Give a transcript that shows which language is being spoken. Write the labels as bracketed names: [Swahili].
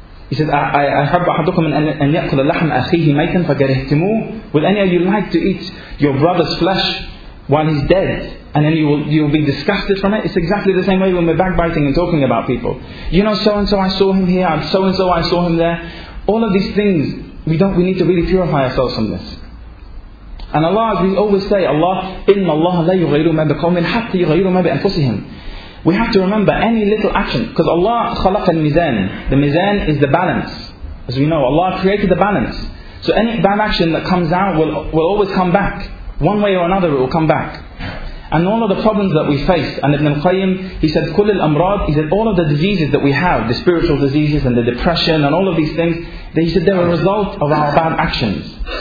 [English] He says, [Arabic] أَحَبَّ أَحَدُكُمْ أَنْ يَأْكُلَ لَحْمَ أَخِيهِ مَيْتًا فَكَرِهْتُمُوهُ. [English] Would any of you like to eat your brother's flesh while he's dead? And then you'll be disgusted from it. It's exactly the same way when we're backbiting and talking about people. You know, so and so, I saw him here. So and so, I saw him there. All of these things, we need to really purify ourselves from this. And Allah, as we always say, Allah, [Arabic] إِنَّ اللَّهَ لَا يُغَيْرُ مَا بِقَوْمٍ حَتَّى يُغَيْرُ مَا بِأَنفُسِهِمْ. [English] We have to remember any little action, because Allah [Arabic] خَلَقَ الْمِزَانِ. [English] The mizan is the balance. As we know, Allah created the balance. So any bad action that comes out will always come back. One way or another, it will come back. And all of the problems that we face, and Ibn al-Qayyim, he said, [Arabic] كل الأمراض, [English] he said, all of the diseases that we have, the spiritual diseases and the depression and all of these things, he said, they're a result of our bad actions.